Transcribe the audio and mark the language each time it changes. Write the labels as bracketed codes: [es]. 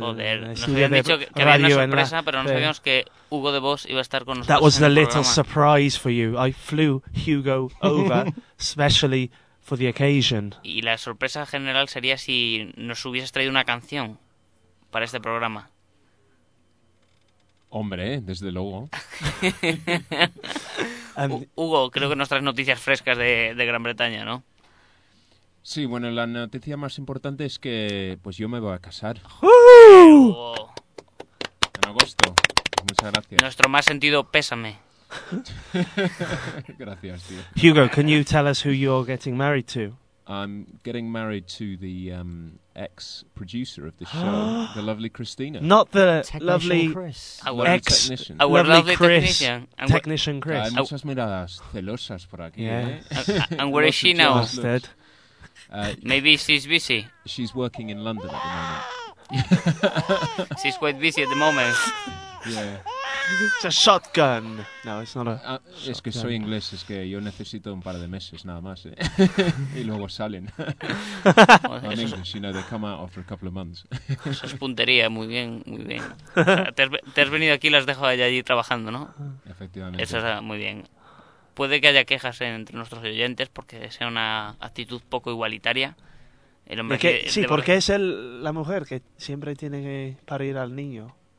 [es] Joder, nos habían dicho que había una sorpresa, pero no sabíamos que Hugo de Boss iba a estar con nosotros. [en] That was the little [es] programa. [en] Surprise for you. I flew Hugo over specially for the occasion. [es] Y la sorpresa general sería si nos hubieses traído una canción. Para este programa. Hombre, desde luego. Hugo, creo que nos traes noticias frescas de Gran Bretaña, ¿no? Sí, bueno, la noticia más importante es que pues yo me voy a casar. ¡Hugo! En agosto. Muchas gracias. Nuestro más sentido pésame. Gracias, tío. [en] Hugo, can you tell us who you're getting married to? I'm getting married to the ex-producer of the show, the lovely Christina. Not the technician lovely Chris. Our ex-technician. Our lovely, lovely Chris. Technician. And technician Chris. [es] Hay muchas miradas celosas por aquí. [en] Yeah. And where is she now? Instead. Maybe she's busy. She's working in London at the moment. She's quite busy at the moment. Yeah. It's a shotgun. No, it's not a [es] Es que soy inglés, es que yo necesito un par de meses nada más, ¿eh? Y luego salen. [en] Well, in English, you know, they come out after a couple of months. [es] Eso es puntería, muy bien, muy bien. O sea, te has venido aquí y las dejo allí trabajando, ¿no? Efectivamente. Eso es muy bien. puede que haya quejas entre nuestros oyentes porque sea una actitud poco igualitaria. El hombre que, sí, debe... porque es la mujer que siempre tiene que parir al niño.